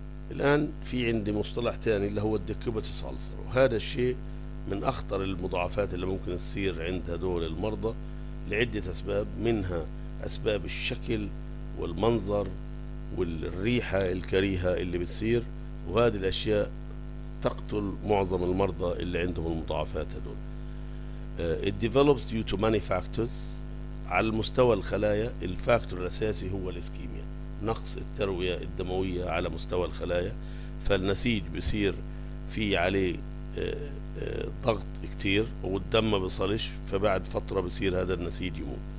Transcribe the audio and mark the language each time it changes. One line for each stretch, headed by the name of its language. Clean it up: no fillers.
Arabic: الآن في عندي مصطلح تاني اللي هو الديكوباتيس ألسر، وهذا الشيء من أخطر المضاعفات اللي ممكن تصير عند هدول المرضى لعدة أسباب، منها أسباب الشكل والمنظر والريحة الكريهة اللي بتصير، وهذه الأشياء تقتل معظم المرضى اللي عندهم المضاعفات هدول.
English: It develops due to many factors.
Arabic: على المستوى الخلايا الفاكتور الأساسي هو الإسكيميا، نقص التروية الدموية على مستوى الخلايا، فالنسيج بيصير فيه عليه ضغط كتير والدم ما بيصلش، فبعد فترة بيصير هذا النسيج يموت.